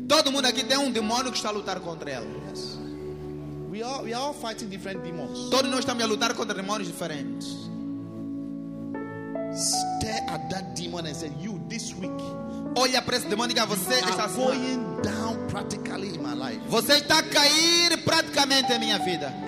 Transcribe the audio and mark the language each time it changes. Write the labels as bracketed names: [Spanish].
[Portuguese] Todo mundo aqui tem demônio que está a lutar contra ele. [English] Yes. We are all fighting different demons. [Portuguese] Todos nós estamos a lutar contra demônios diferentes. [English] Stare at that demon and say, "You this week." [Portuguese] Olha para esse demônio e diga, você está [English] going down practically in my life. [Portuguese] Você está a cair praticamente em minha vida.